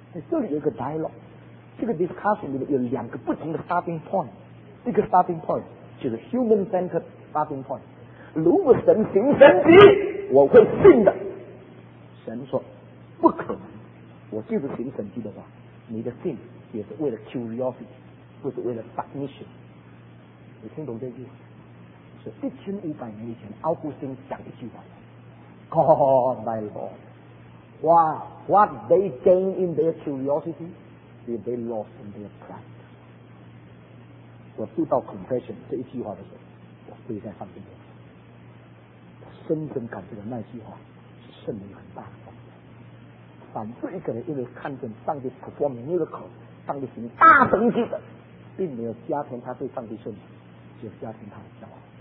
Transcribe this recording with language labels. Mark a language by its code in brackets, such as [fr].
[zh] 这里有一个 dialogue， 这个 discussion 里面有两个不同的 starting point， 一个 starting point 就是 [en] human centered starting point， [zh] 如果神行神迹我会信的，神说不可能，我就是行神迹的话你的信也是为了 curiosity， 不是为了 submission。你听懂这句话？是1500年以前奥古斯丁讲一句话， [en] God my Lord。 What they gain in their curiosity, they lost in their pride. [zh] 我读到 confession 这一句话的时候，我跪在上帝面前，我深深感觉到那句话是圣灵很大的帮助。反复一个人因为看见上帝 [en] perform miracle， [zh] 上帝行大神迹的，并没有加添他对上帝圣灵，只有加添他的骄傲。